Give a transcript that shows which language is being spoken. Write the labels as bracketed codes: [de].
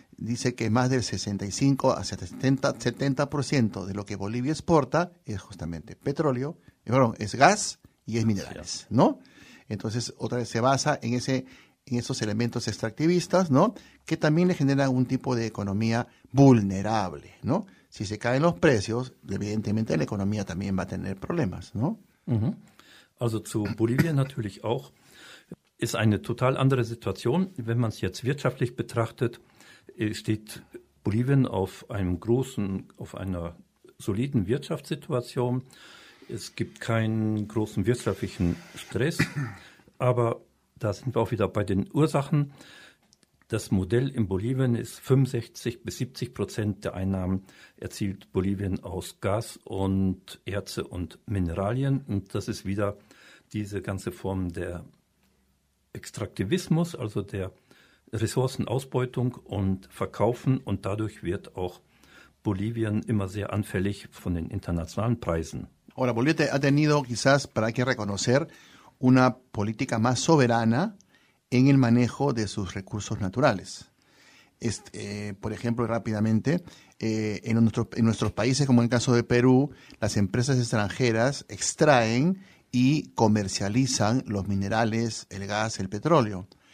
[es] Dice que más del 65 a 70% de lo que Bolivia exporta es justamente petróleo, perdón, es gas y es minerales, ¿no? Entonces, otra vez se basa en esos elementos extractivistas, ¿no? Que también le generan un tipo de economía vulnerable, ¿no? Si se caen los precios, evidentemente la economía también va a tener problemas, ¿no? Uh-huh. [de] Also zu Bolivia natürlich auch ist eine total andere Situation, wenn man es jetzt wirtschaftlich betrachtet. Steht Bolivien auf einer soliden Wirtschaftssituation. Es gibt keinen großen wirtschaftlichen Stress. Aber da sind wir auch wieder bei den Ursachen. Das Modell in Bolivien ist, 65-70% der Einnahmen erzielt Bolivien aus Gas und Erze und Mineralien. Und das ist wieder diese ganze Form der Extraktivismus, also der Ressourcenausbeutung und Verkaufen. Und dadurch wird auch Bolivien immer sehr anfällig von den internationalen Preisen. [es] Ahora, Bolivia ha tenido quizás, para que reconocer, una política más soberana en el manejo de sus recursos naturales. Por ejemplo, rápidamente, en nuestros países, como en el caso de Perú, las empresas extranjeras extraen y comercializan los minerales, el gas, el petróleo.